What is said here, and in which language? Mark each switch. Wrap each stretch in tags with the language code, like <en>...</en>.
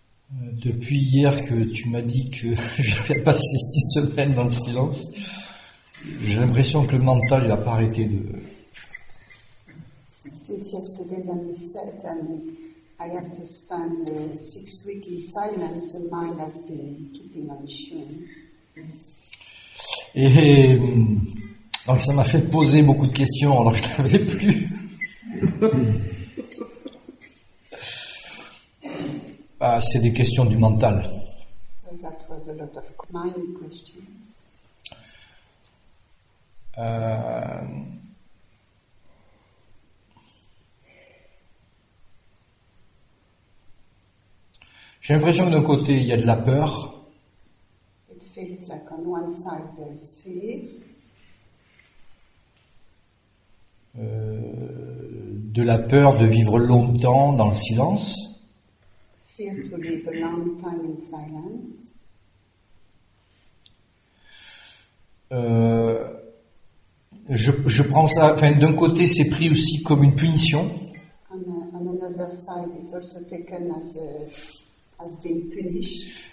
<fr>depuis hier que tu m'as dit que j'avais passé 6 semaines dans le silence, j'ai l'impression que le mental n'a pas arrêté de...</fr> <en>Since yesterday when you said and I have to spend 6 weeks in silence, the mind has been keeping on chewing.</en> <fr>Et donc ça m'a fait poser beaucoup de questions alors que je n'avais plus. Ah, c'est des questions du mental.</fr> <en>So that was a lot of mind questions.</en> <fr>J'ai l'impression que d'un côté il y a de la peur.</fr> <en>It feels like on one side there is fear.</en> <fr>De la peur de vivre longtemps dans le silence.</fr> <en>Fear to live a long time in silence.</en> <fr>Je prends ça. Enfin, d'un côté, c'est pris aussi comme une punition.</fr> <en>On another side, it's also taken as a has been punished.</en>